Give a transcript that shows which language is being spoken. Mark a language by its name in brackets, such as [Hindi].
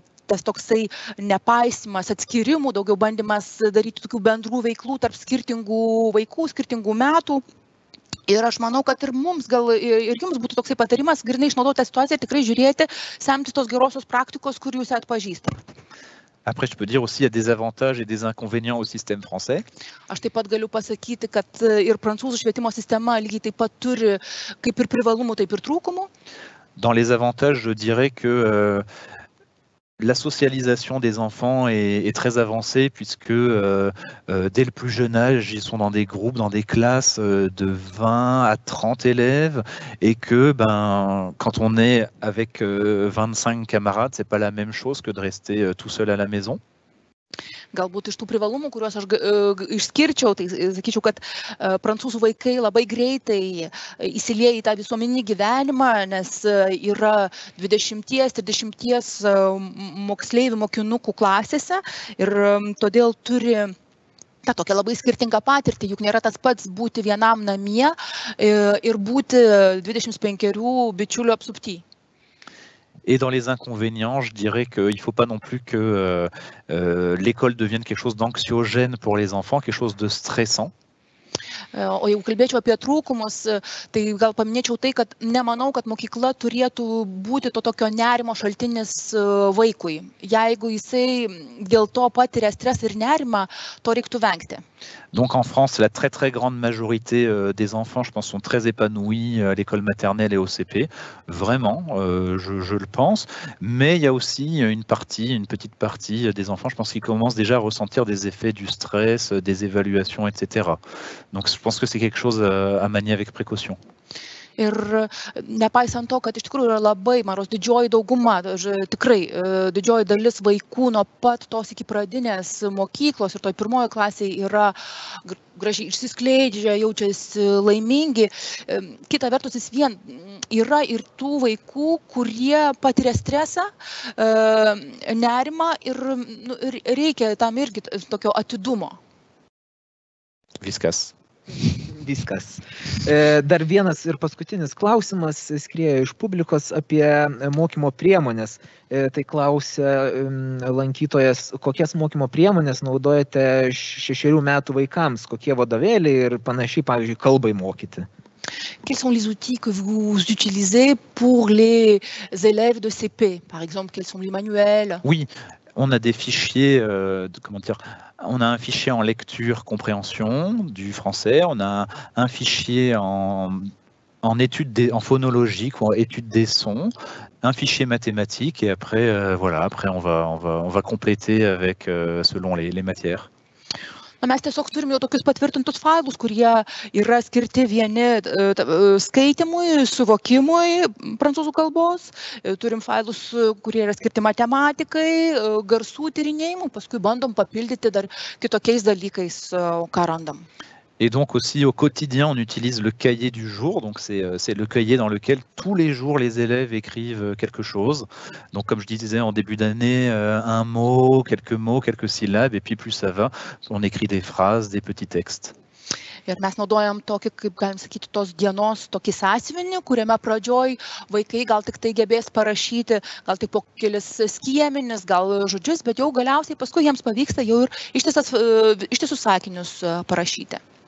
[Lithuanian] Tas toksai nepaisimas atskirimų, daugiau bandymas daryti tokių bendrų veiklų tarp skirtingų vaikų, skirtingų metų. Ir aš manau, kad ir mums, gal ir jums būtų toksai patarimas, grinai išnaudoti tą situaciją, tikrai žiūrėti, semti tos gerosios praktikos, kur jūs atpažįstate. [French] Après, je peux dire aussi, il y a des avantages et des inconvénients au système français. [Lithuanian] Aš taip pat galiu pasakyti, kad ir prancūzų švietimo sistema lygiai taip pat turi kaip ir privalumų, taip ir trūkumų. [French] Dans les avantages, je dirais que la socialisation des enfants est très avancée puisque dès le plus jeune âge, ils sont dans des groupes, dans des classes de 20 à 30 élèves et que ben, quand on est avec 25 camarades, c'est pas la même chose que de rester tout seul à la maison. [Lithuanian] Galbūt iš tų privalumų, kuriuos aš išskirčiau, tai sakyčiau, kad prancūzų vaikai labai greitai įsilieja į tą visuomeninį gyvenimą, nes yra 20-30 moksleivių mokinukų klasėse ir todėl turi tą tokią labai skirtingą patirtį, juk nėra tas pats būti vienam namie ir būti 25 bičiulių apsupti. [French] Et dans les inconvénients, je dirais qu'il ne faut pas non plus que l'école devienne quelque chose d'anxiogène pour les enfants, quelque chose de stressant. [Lithuanian] O jeigu kalbėčiau apie trūkumus, tai gal paminėčiau tai, kad nemanau, kad mokykla turėtų būti to tokio nerimo šaltinis vaikui. Jeigu jisai dėl to patiria stresą ir nerimą, to reiktų vengti. [French] Donc en France, la très très grande majorité des enfants, je pense, sont très épanouis à l'école maternelle et au CP. Vraiment, je le pense. Mais il y a aussi une petite partie des enfants, je pense, qui commencent déjà à ressentir des effets du stress, des évaluations, etc. Donc je pense que c'est quelque chose à manier avec précaution. [Lithuanian] Ir nepaisant to, kad iš tikrųjų yra labai, maros, didžioji dauguma, tikrai didžioji dalis vaikų nuo pat tos iki pradinės mokyklos ir toj pirmojo klasėje yra gražiai išsiskleidžia, jaučiasi laimingi. Kita vertus, jis vien yra ir tų vaikų, kurie patiria stresą, nerimą ir, nu, ir reikia tam irgi tokio atidumo. Viskas. Viskas. Dar vienas ir paskutinis klausimas skrėjo iš publikos apie mokymo priemonės. Tai klausė lankytojas, kokias mokymo priemonės naudojate 6 metų vaikams, kokie vadovėliai ir panašiai, pavyzdžiui, kalbai mokyti. [French] Quels sont les outils que vous utilisez pour les élèves de CP? Par exemple, quels sont les manuels? Oui, on a des fichiers, comment dire, on a un fichier en lecture compréhension du français, on a un fichier en étude des, en phonologie, quoi, étude des sons, un fichier mathématique, et après, voilà, après on va compléter avec selon les matières. [Lithuanian] Na, mes tiesiog turime jau tokius patvirtintus failus, kurie yra skirti vieni skaitimui, suvokimui prancūzų kalbos. Turim failus, kurie yra skirti matematikai, garsų tyrinėjimui, paskui bandom papildyti dar kitokiais dalykais, ką randam. [French] Et donc aussi au quotidien, on utilise le cahier du jour. Donc c'est le cahier dans lequel tous les jours les élèves écrivent quelque chose. Donc comme je disais en début d'année, un mot, quelques syllabes, et puis plus ça va, on écrit des phrases, des petits textes. [Lithuanian] Ir mes naudojam tokį, kaip galim sakyti, tos dienos tokį sąsiuvinį, kuriame pradžioj vaikai gal tik tai gebės parašyti, gal tik po kelis skiemenis, gal žodžius, bet jau galiausiai paskui jiems pavyksta jau ir ištisus sakinius parašyti.